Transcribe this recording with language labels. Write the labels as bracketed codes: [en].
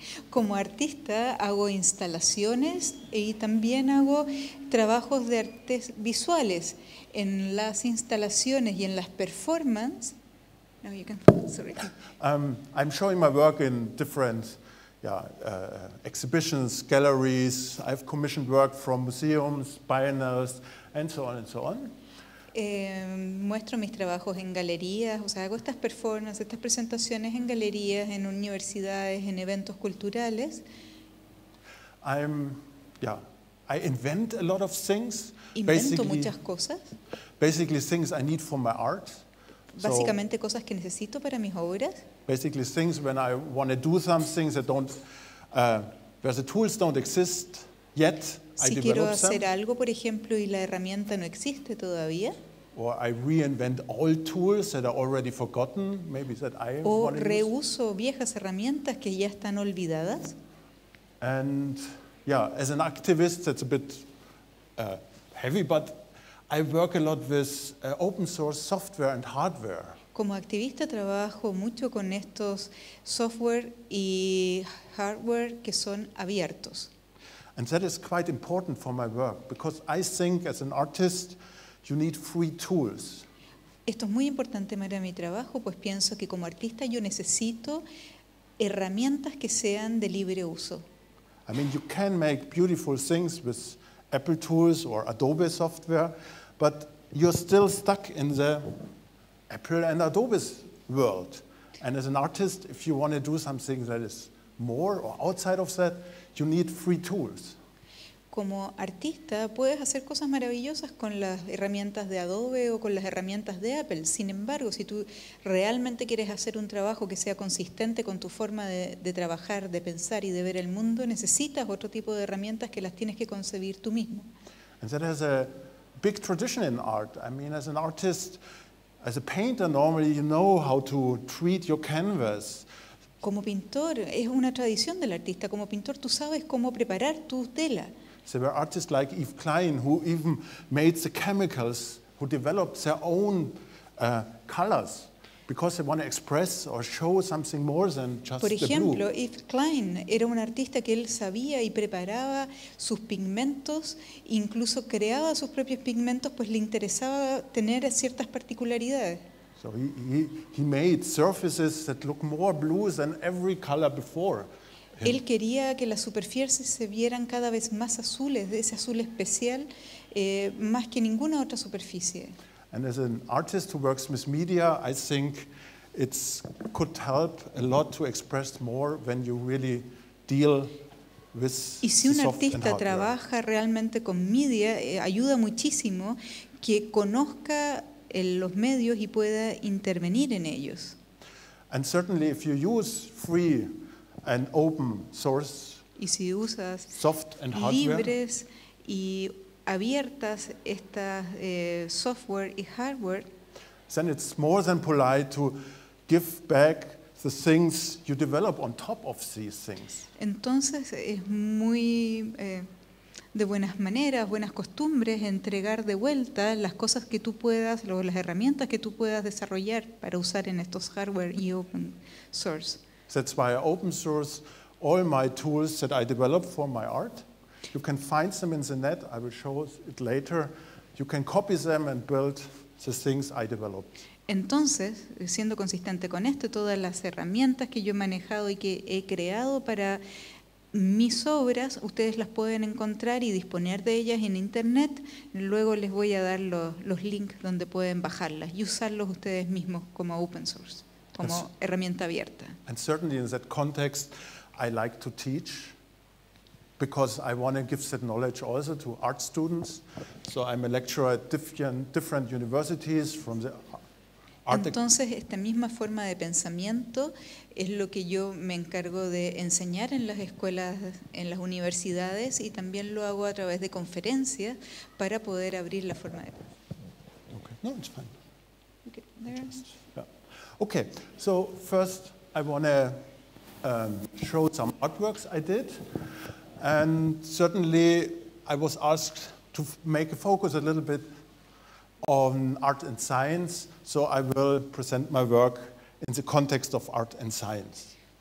[es] Como artista hago instalaciones y también hago trabajos de artes visuales en las instalaciones y en las performances. [en] No, you can. Sorry. I'm showing my work in different, exhibitions, galleries. I've commissioned work from museums, biennales, and so on and so on. [es] Muestro mis trabajos en galerías, o sea, hago estas performances, estas presentaciones en galerías, en universidades, en eventos culturales. [en] I invent a lot of things. [es] Invento muchas cosas. [en] Basically things I need for my art. [es] Básicamente so, cosas que necesito para mis obras. [en] Basically things when I want to do something that don't, where the tools don't exist yet. [es] Si quiero hacer algo, por ejemplo, y la herramienta no existe todavía. [en] Or I reinvent old tools that are already forgotten, maybe that I [es] o reuso viejas herramientas que ya están olvidadas. [en] And yeah, as an activist, that's a bit heavy, but I work a lot with open source software and hardware. [es] Como activista trabajo mucho con estos software y hardware que son abiertos. [en] And that is quite important for my work because I think as an artist you need free tools. [es] Esto es muy importante para mi trabajo, pues pienso que como artista yo necesito herramientas que sean de libre uso. [en] I mean, you can make beautiful things with Apple tools or Adobe software, but you're still stuck in the Apple and Adobe world. And as an artist, if you want to do something that is more or outside of that, you need free tools. [es] Como artista, puedes hacer cosas maravillosas con las herramientas de Adobe o con las herramientas de Apple. Sin embargo, si tú realmente quieres hacer un trabajo que sea consistente con tu forma de trabajar, de pensar y de ver el mundo, necesitas otro tipo de herramientas que las tienes que concebir tú mismo. [en] And that has a big tradition in art. I mean, as an artist, As a painter, normally you know how to treat your canvas. [es] Como pintor, es una tradición del artista. Como pintor, tú sabes cómo preparar tu tela. [en] There were artists like Yves Klein who even made the chemicals, who developed their own colors because they want to express or show something more than just the blue. [es] Por ejemplo, Yves Klein era un artista que él sabía y preparaba sus pigmentos, incluso creaba sus propios pigmentos, pues le interesaba tener ciertas particularidades. [en] So he made surfaces that look more blue than every color before. [es] Él quería que las superficies se vieran cada vez más azules, de ese azul especial, más que ninguna otra superficie. [en] And as an artist who works with media, I think it could help a lot to express more when you really deal with soft and hard. [es] Y si un artista trabaja realmente con media, ayuda muchísimo que conozca los medios y pueda intervenir en ellos. [en] And certainly if you use free and open source, [es] y si usas [en] soft and [es] hardware, y abiertas estas software y hardware, [en] then it's more than polite to give back the things you develop on top of these things. [es] Entonces es muy de buenas maneras, buenas costumbres, entregar de vuelta las cosas que tú puedas, las herramientas que tú puedas desarrollar para usar en estos hardware y open source. [en] That's why I open source all my tools that I develop for my art. You can find them in the net. I will show it later. You can copy them and build the things I developed. [es] Entonces, siendo consistente con esto, todas las herramientas que yo he manejado y que he creado para mis obras, ustedes las pueden encontrar y disponer de ellas en internet. Luego les voy a dar los links donde pueden bajarlas y usarlos ustedes mismos como open source, como herramienta abierta. [en] And certainly in that context, I like to teach because I want to give that knowledge also to art students. So I'm a lecturer at different universities from the art. [es] Entonces, esta misma forma de pensamiento es lo que yo me encargo de enseñar en las escuelas, en las universidades, y también lo hago a través de conferencias para poder abrir la forma de. [en] Okay, no, it's fine. Okay, there. Okay, so first I want to show some artworks I did, and certainly I was asked to make a focus a little bit on art and science, so I will present my work in the context of art and science.